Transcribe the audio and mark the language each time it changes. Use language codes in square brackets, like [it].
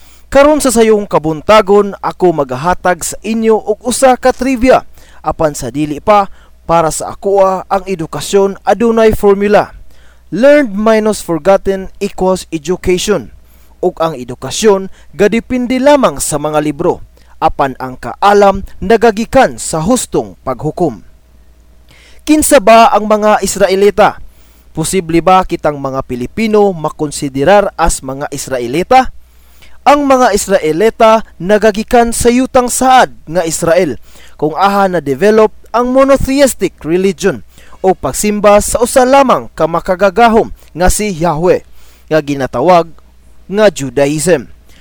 [ceb] Karon sa sayong kabuntagon, ako magahatag sa inyo og usa ka trivia apan sa dili pa para sa akoa ang edukasyon adunay formula. [en] learned minus forgotten equals education. [ceb] Ug ang edukasyon gadipindi lamang sa mga libro, apan ang kaalam nagagikan sa hustong paghukom. Kinsa ba ang mga Israelita? Posible ba kitang mga Pilipino makonsiderar as mga Israelita? Ang mga Israelita nagagikan sa yutang saad nga Israel kung aha na develop ang monotheistic religion o pagsimba sa usa lamang ka makagagahom nga si Yahweh nga ginatawag nga Judaism.